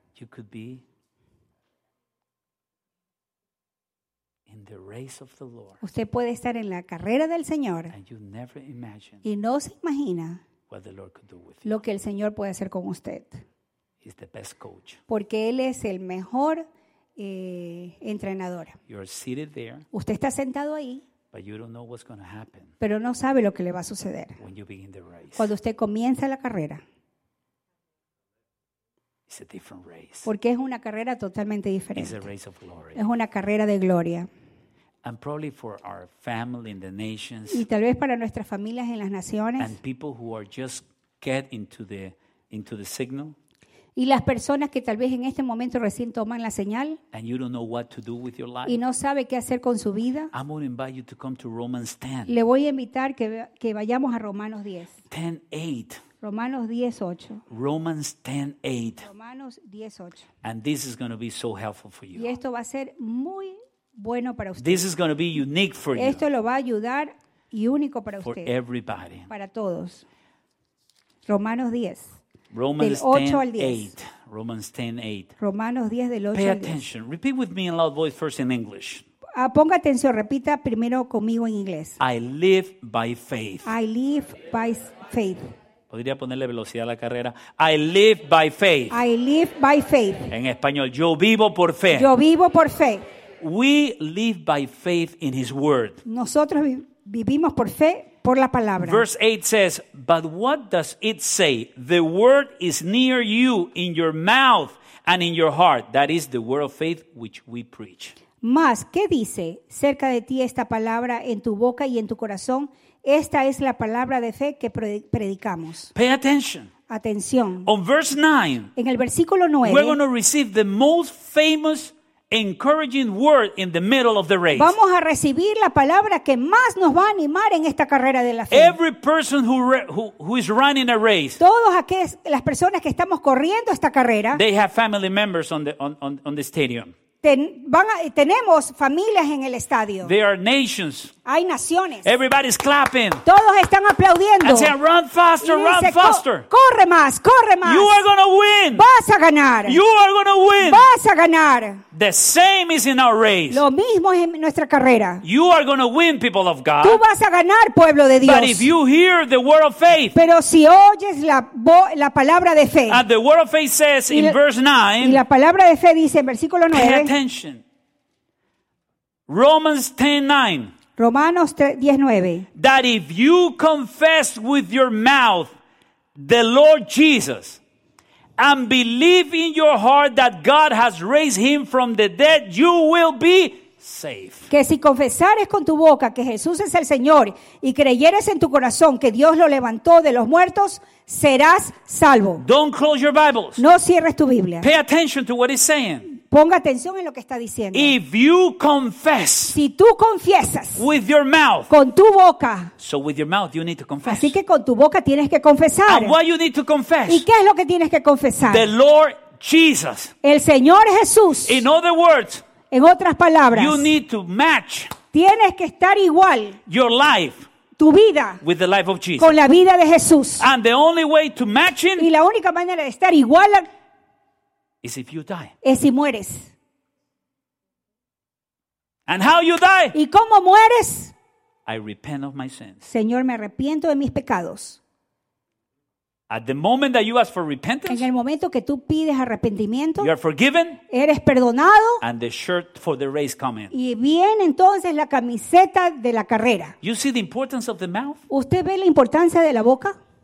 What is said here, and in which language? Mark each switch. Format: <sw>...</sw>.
<en>you could be in the race of the Lord.</en> <es>Usted puede estar en la carrera del Señor.</es> <en>And you never imagine.</en> <es>Y no se imagina</es> <en>what the Lord could do with you.</en> <es>Lo que el Señor puede hacer con usted.</es> <en>He's the best coach.</en> <es>Porque él es el mejor entrenador.</es> <en>You're seated there.</en> <es>Usted está sentado ahí.</es> <en>But you don't know what's going to happen.</en> <es>Pero no sabe lo que le va a suceder.</es> <en>When you begin the race.</en> <es>Cuando usted comienza la carrera.</es> <en>It's a different race.</en> <es>Porque es una carrera totalmente diferente.</es> <en>It's a race of glory.</en> <es>Es una carrera de gloria.</es> <en>And probably for our family in the nations.</en> <es>Y tal vez para nuestras familias en las naciones.</es> <en>And people who are just get into the signal.</en> <es>Y las personas que tal vez en este momento recién toman la señal.</es> <en>And you don't know what to do with your life.</en> <es>Y no sabe qué hacer con su vida.</es> <en>I'm going to invite you to come to Romans 10.</en> <es>Le voy a invitar que vayamos a Romanos 10. 10:8. Romanos 10:8.</es> <en>Romans 10:8.</en> <es>Romanos 10:8.</es> <en>And this is going to be so helpful for you.</en> <es>Y esto va a ser muy bueno para usted.</es> <en>This is going to be unique for</en> <es>esto</es> <en>you.</en> <es>Esto lo va a ayudar y único para</es> <en>for</en> <es>usted.</es> <en>For everybody.</en> <es>Para todos. Romanos 10.</es> <en>Romans 10:8. Romans 10:8.</en> <es>Romanos 10 del 8 al 10.</es> <en>Pay attention. Repeat with me in loud voice first in English.</en> <es>Ponga atención, repita primero conmigo en inglés.</es> <en>I live by faith. I live by faith.</en> <es>Podría ponerle velocidad a la carrera.</es> <en>I live by faith. I live by faith.</en> <es>En español, yo vivo por fe. Yo vivo por fe.</es> <en>We live by faith in his word.</en> <es>Nosotros vivimos por fe. Por la palabra.</es> <en>Verse 8 says, but what does it say? The word is near you in your mouth and in your heart. That is the word of faith which we preach.</en> <es>Mas, ¿qué dice cerca de ti esta palabra en tu boca y en tu corazón? Esta es la palabra de fe que predicamos.</es> <en>Pay attention.</en> <es>Atención.</es> <en>On verse 9.</en> <es>En el versículo 9.</es> <en>We're going to receive the most famous encouraging word in the middle of the race.</en> <es>Vamos a recibir la palabra que más nos va a animar en esta carrera de la fe.</es> <en>Every person who is running a race.</en> <es>Todos aquellas las personas que estamos corriendo esta carrera.</es> <en>They have family members on the stadium.</en> <es>Tenemos familias en el estadio.</es> <en>There are nations.</en> <es>Hay naciones.</es> <en>Everybody's clapping.</en> <es>Todos están aplaudiendo.</es> <en>And say, run faster,</en> <es>dice,</es> <en>run faster.</en> <es>Corre más, corre más.</es> <en>You are going to win.</en> <es>Vas a ganar.</es> <en>You are going to win.</en> <es>Vas a ganar.</es> <en>The same is in our race.</en> <es>Lo mismo es en nuestra carrera.</es> <en>You are going to win, people of God.</en> <es>Tú vas a ganar, pueblo de Dios.</es> <en>But if you hear the word of faith.</en> <es>Pero si oyes la palabra de fe.</es> <en>And the word of faith says in verse 9.</en> <es>Y la palabra de fe dice en versículo 9.</es> <en>Pay attention. Romans 10:9.</en> <es>Romanos 10:9.</es> <en>That if you confess with your mouth the Lord Jesus and believe in your heart that God has raised him from the dead, you will be saved.</en> <es>Que si confesares con tu boca que Jesús es el Señor y creyeres en tu corazón que Dios lo levantó de los muertos, serás salvo.</es> <en>Don't close your Bibles.</en> <es>No cierres tu Biblia.</es> <en>Pay attention to what it's saying.</en> <es>Ponga atención en lo que está diciendo.</es> <en>If you confess,</en> <es>si tú confiesas</es> <en>with your mouth,</en> <es>con tu boca,</es> <en>so with your mouth you need to confess.</en> <es>Así que con tu boca tienes que confesar.</es> <en>And what you need to confess,</en> <es>¿y qué es lo que tienes que confesar?</es> <en>The Lord Jesus,</en> <es>el Señor Jesús.</es> <en>In other words,</en> <es>en otras palabras,</es> <en>you need to match,</en> <es>tienes que estar igual</es> <en>your life,</en> <es>tu vida,</es> <en>with the life of Jesus,</en> <es>con la vida de Jesús.</es> <en>And the only way to match it,</en> <es>y la única manera de estar igual a</es> <en>is if you die.</en> <es>Es si mueres.</es> <en>And how you die?</en> <es>¿Y cómo mueres?</es> <en>I repent of my sins.</en> <es>Señor, me arrepiento de mis pecados.</es> <en>At the moment that you ask for repentance,</en> <es>en el momento que tú pides arrepentimiento,</es> <en>you are forgiven,</en> <es>eres perdonado,</es> <en>and the shirt for the race come in.</en> <es>Y viene entonces la camiseta de la carrera.</es> <en>You see the importance of the mouth?</en> <es>¿Usted ve la importancia de la boca?</es>